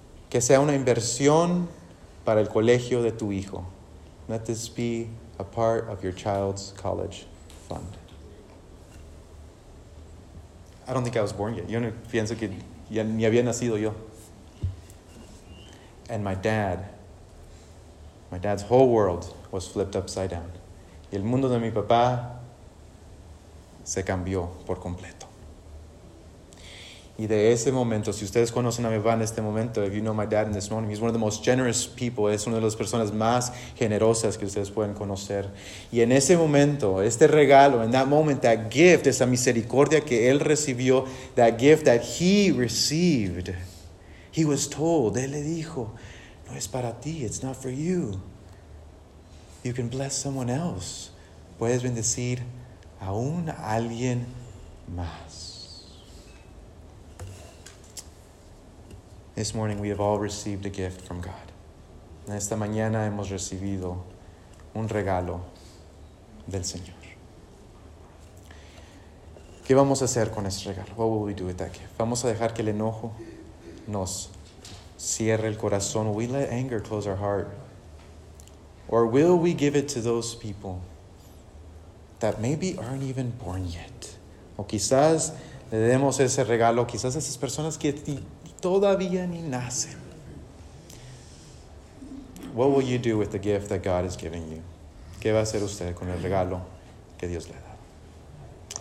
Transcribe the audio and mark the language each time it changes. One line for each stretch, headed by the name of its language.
Spanish: Que sea una inversión para el colegio de tu hijo.
English: Let this be a part of your child's college fund. I don't think I was born yet.
Spanish: Yo no pienso que... Ya ni había nacido yo.
English: And my dad's whole world was flipped upside down.
Spanish: Y el mundo de mi papá se cambió por completo. Y de ese momento, si ustedes conocen a mi papá en este momento,
English: if you know my dad in this moment, he's one of the most generous people.
Spanish: Es una de las personas más generosas que ustedes pueden conocer. Y en ese momento, este regalo,
English: in that moment, that gift,
Spanish: esa misericordia que él recibió,
English: that gift that he received, he was told,
Spanish: él le dijo, no es para ti,
English: it's not for you. You can bless someone else.
Spanish: Puedes bendecir a un alguien más.
English: This morning we have all received a gift from God.
Spanish: Esta mañana hemos recibido un regalo del Señor. ¿Qué vamos a hacer con este regalo?
English: What will we do with that gift?
Spanish: ¿Vamos a dejar que el enojo nos cierre el corazón?
English: Will we let anger close our heart? Or will we give it to those people that maybe aren't even born yet?
Spanish: O quizás le demos ese regalo, quizás a esas personas que... todavía ni nacen.
English: What will you do with the gift that God is giving you?
Spanish: ¿Qué va a hacer usted con el regalo que Dios le ha dado?